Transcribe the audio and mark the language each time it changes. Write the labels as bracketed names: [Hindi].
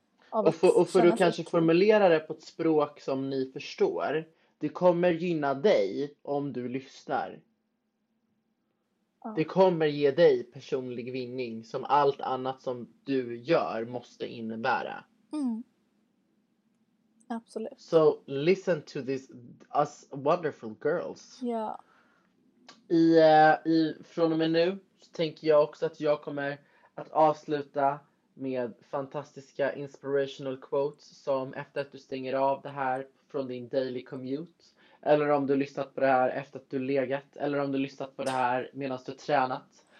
[Swedish] och för du kanske formulera det på ett språk som ni förstår. Det kommer gynna dig om du lyssnar. Ja. Det kommer ge dig personlig vinning som allt annat som du gör måste innebära. Absolut. [English] So listen to us wonderful girls. [Swedish] Ja. I från och med nu så tänker jag också att jag kommer att avsluta med fantastiska [English] inspirational quotes [Swedish] som efter att du stänger av det här från din [English] daily commute. [Swedish] Eller om du har lyssnat på det här efter att du legat. Eller om du har lyssnat på det här medan du har tränat.